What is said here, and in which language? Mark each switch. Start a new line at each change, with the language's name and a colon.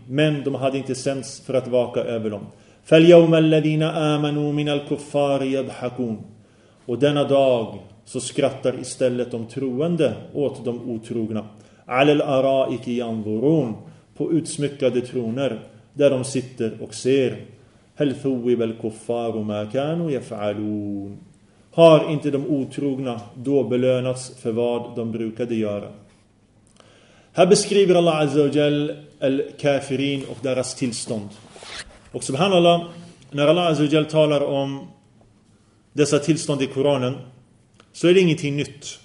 Swedish: Men de hade inte sänds för att vaka över dem.
Arabic: فَالْيَوْمَ الَّذِينَ آمَنُوا مِنَ الْكُفَّارِ يَضْحَكُونَ.
Swedish: Och denna dag så skrattar istället de troende åt de otrogna.
Arabic: عَلَى الْأَرَائِكِ يَنْظُرُونَ.
Swedish: På utsmyckade troner där de sitter och ser.
Arabic: هل ثوب الكفار ما كانوا يفعلون.
Swedish: Har inte de otrogna då belönats för vad de brukade göra? Här beskriver Allah Azza wa Jal al-kafirin och deras tillstånd. Och subhanallah, när Allah Azza wa Jal talar om dessa tillstånd i Koranen så är det ingenting nytt.